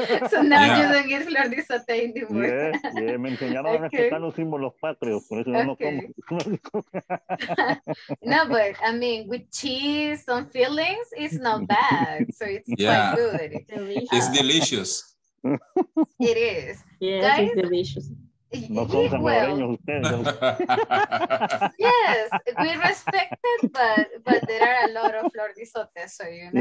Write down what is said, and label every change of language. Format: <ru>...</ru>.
<en>So now yeah. you don't get Flor de Isote anymore.</en> <es>Yeah, me enseñaron a respetar los símbolos patrios, por eso no como.</es> <en>No, but I mean, with cheese, some fillings, it's not bad. So it's yeah. quite good. It's delicious. It is. Yeah, guys, it's delicious. Yes, we respect it, but there are a lot of Flor de Isote, so you know.</en>